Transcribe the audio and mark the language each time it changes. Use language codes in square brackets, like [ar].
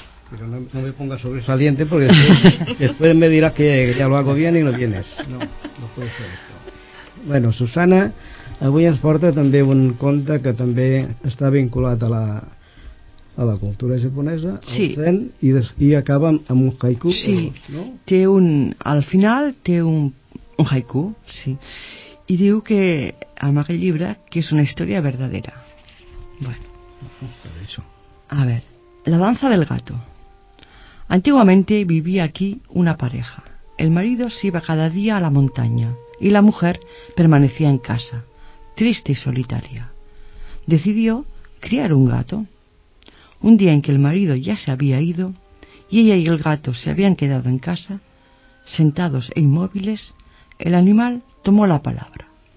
[es] Pero no me pongas sobresaliente porque después me dirás que ya lo hago bien y no vienes. No, no puede ser esto. [ca] Bueno, Susana, avui ens porta també un conte que també està vinculat a la cultura japonesa, sí. Al zen, i acaba amb un haiku. Sí, no? Té al final té un haiku, sí. I diu que en aquell llibre que és una història verdadera. [es] Bueno. A ver, la danza del gato. Antiguamente vivía aquí una pareja. El marido se iba cada día a la montaña y la mujer permanecía en casa, triste y solitaria. Decidió criar un gato. Un día en que el marido ya se había ido y ella y el gato se habían quedado en casa, sentados e inmóviles, el animal tomó la palabra.